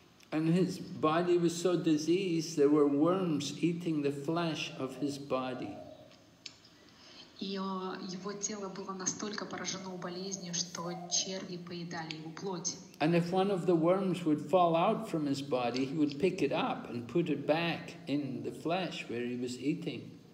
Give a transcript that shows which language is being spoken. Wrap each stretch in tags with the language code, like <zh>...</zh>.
<en>And his body was so diseased, there were worms eating the flesh of his body.</en> <ru>И его тело было настолько поражено болезнью, что черви поедали его плоть.</ru> <en>And if one of the worms would fall out from his body, he would pick it up and put it back in the flesh where he was eating.</en>